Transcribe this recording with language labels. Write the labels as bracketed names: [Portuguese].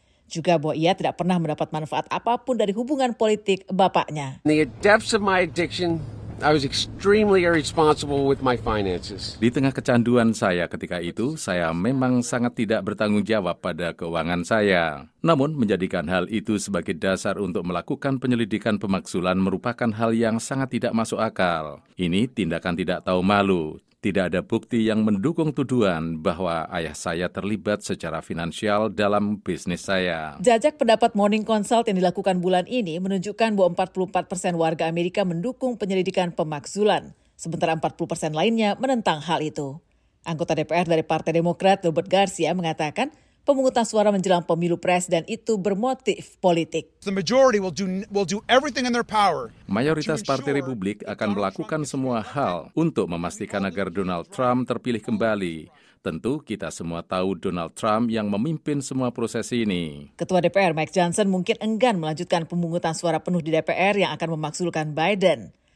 [Indonesian] Juga bahwa ia tidak pernah mendapat manfaat apapun dari hubungan politik bapaknya. [English] In the depths of my addiction, I was extremely irresponsible with my finances. [Indonesian] Di tengah kecanduan saya ketika itu, saya memang sangat tidak bertanggung jawab pada keuangan saya. Namun, menjadikan hal itu sebagai dasar untuk melakukan penyelidikan pemakzulan merupakan hal yang sangat tidak masuk akal. Ini tindakan tidak tahu malu. Tidak ada bukti yang mendukung tuduhan bahwa ayah saya terlibat secara finansial dalam bisnis saya. Jajak pendapat Morning Consult yang dilakukan bulan ini menunjukkan bahwa 44% warga Amerika mendukung penyelidikan pemakzulan, sementara 40% lainnya menentang hal itu. Anggota DPR dari Partai Demokrat, Robert Garcia, mengatakan pemungutan suara menjelang pemilu presiden itu bermotif politik. [English] The majority will do everything in their power. [Indonesian] Mayoritas Partai Republik akan melakukan semua hal untuk memastikan agar Donald Trump terpilih kembali. Tentu kita semua tahu Donald Trump yang memimpin semua proses ini. Ketua DPR Mike Johnson mungkin enggan melanjutkan pemungutan suara penuh di DPR yang akan memakzulkan Biden.